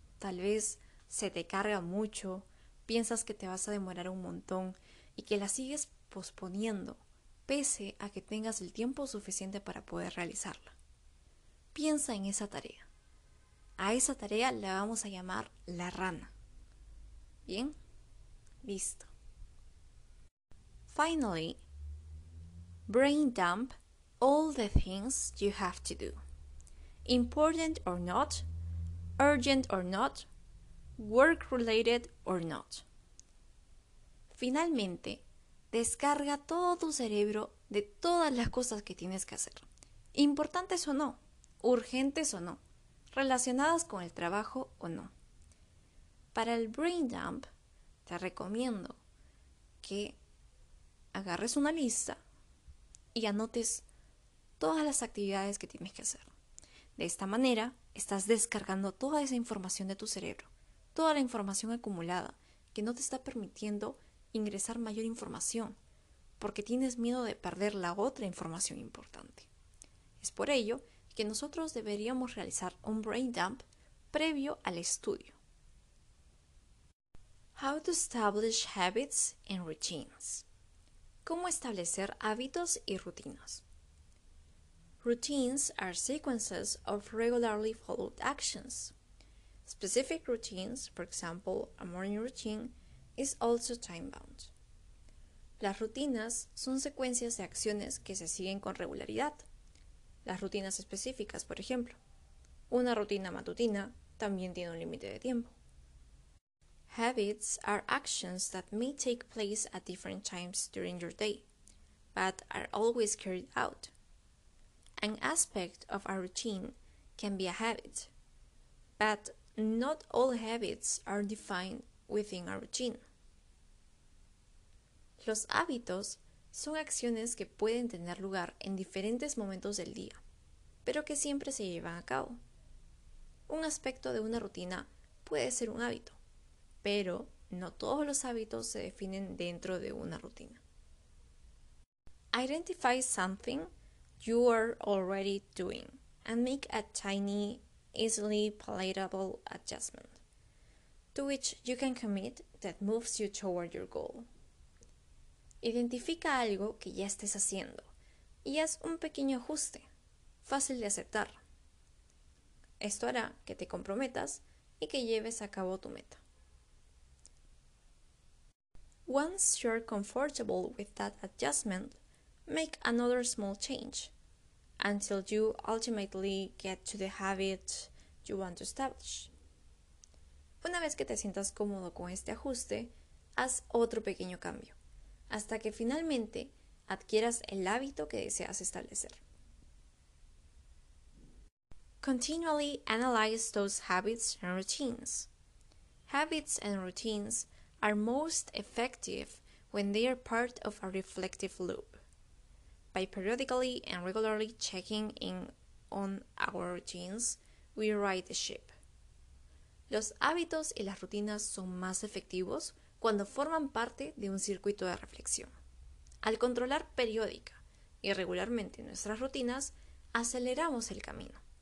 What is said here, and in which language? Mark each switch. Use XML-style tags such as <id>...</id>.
<es>Tal vez se te carga mucho, piensas que te vas a demorar un montón y que la sigues posponiendo, pese a que tengas el tiempo suficiente para poder realizarla. Piensa en esa tarea. A esa tarea la vamos a llamar la rana. ¿Bien? Listo.</es> <en>Finally, brain dump all the things you have to do. Important or not, urgent or not, work-related or not.</en> <es>Finalmente, descarga todo tu cerebro de todas las cosas que tienes que hacer. Importantes o no, urgentes o no, relacionadas con el trabajo o no. Para el brain dump, te recomiendo que agarres una lista y anotes todas las actividades que tienes que hacer. De esta manera, estás descargando toda esa información de tu cerebro, toda la información acumulada que no te está permitiendo ingresar mayor información porque tienes miedo de perder la otra información importante. Es por ello que nosotros deberíamos realizar un brain dump previo al estudio.</es> <en>How to establish habits and routines.</en> <es>¿Cómo establecer hábitos y rutinas?</es> <en>Routines are sequences of regularly followed actions. Specific routines, for example, a morning routine, is also time-bound.</en> <es>Las rutinas son secuencias de acciones que se siguen con regularidad. Las rutinas específicas, por ejemplo. Una rutina matutina también tiene un límite de tiempo.</es> <en>Habits are actions that may take place at different times during your day, but are always carried out. An aspect of a routine can be a habit, but not all habits are defined within a routine.</en> <es>Los hábitos son acciones que pueden tener lugar en diferentes momentos del día, pero que siempre se llevan a cabo. Un aspecto de una rutina puede ser un hábito, pero no todos los hábitos se definen dentro de una rutina.</es> <en>Identify something you are already doing and make a tiny, easily palatable adjustment to which you can commit that moves you toward your goal.</en> <es>Identifica algo que ya estés haciendo y haz un pequeño ajuste, fácil de aceptar. Esto hará que te comprometas y que lleves a cabo tu meta.</es> <en>Once you're comfortable with that adjustment, make another small change until you ultimately get to the habit you want to establish.</en> <es>Una vez que te sientas cómodo con este ajuste, haz otro pequeño cambio hasta que finalmente adquieras el hábito que deseas establecer.</es> <en>Continually analyze those habits and routines. Habits and routines are most effective when they are part of a reflective loop. By periodically and regularly checking in on our routines, we right the ship.</en> <es>Los hábitos y las rutinas son más efectivos cuando forman parte de un circuito de reflexión. Al controlar periódica y regularmente nuestras rutinas, aceleramos el camino.</es>